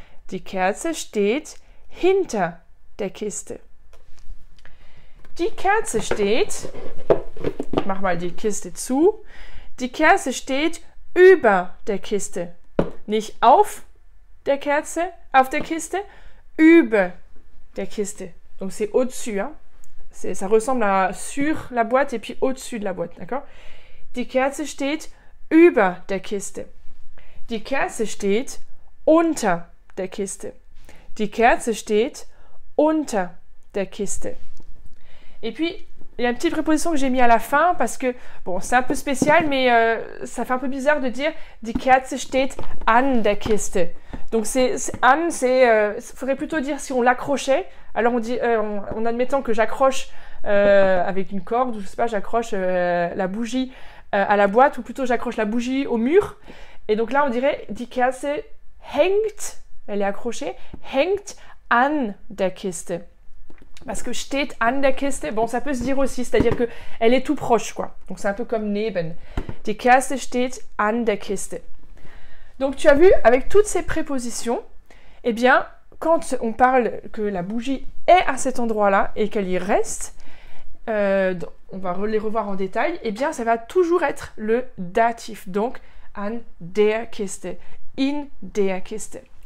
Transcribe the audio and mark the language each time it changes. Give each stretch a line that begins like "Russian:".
German: Die Kerze steht hinter der Kiste. Die Kerze steht, ich mach mal die Kiste zu. Die Kerze steht über der Kiste. Nicht auf der Kerze, auf der Kiste, über der Kiste.
French: Donc c'est au-dessus, hein? C'est, ça ressemble à sur la boîte et puis au-dessus de la boîte, d'accord?
German: Die Kerze steht über der Kiste. Die Kerze steht unter der Kiste. Die Kerze steht unter der Kiste.
French: Et puis, il y a une petite préposition que j'ai mis à la fin parce que, bon, c'est un peu spécial, mais ça fait un peu bizarre de dire «
German: Die Kerze steht an der Kiste ».
French: Donc, « an », c'est... Il faudrait plutôt dire si on l'accrochait. Alors, on dit, en admettant que j'accroche avec une corde, ou je sais pas, j'accroche la bougie à la boîte, ou plutôt j'accroche la bougie au mur. Et donc là, on dirait «
German: Die Kerze hängt
French: », elle est accrochée, «
German: hängt an der Kiste ».
French: Parce que
German: steht an der Kiste,
French: bon, ça peut se dire aussi, c'est-à-dire que elle est tout proche, quoi. Donc c'est un peu comme neben.
German: Die Kerze steht an der Kiste.
French: Donc tu as vu, avec toutes ces prépositions, eh bien, quand on parle que la bougie est à cet endroit-là et qu'elle y reste, on va les revoir en détail, eh bien, ça va toujours être le datif.
German: Donc, an der Kiste. In der Kiste.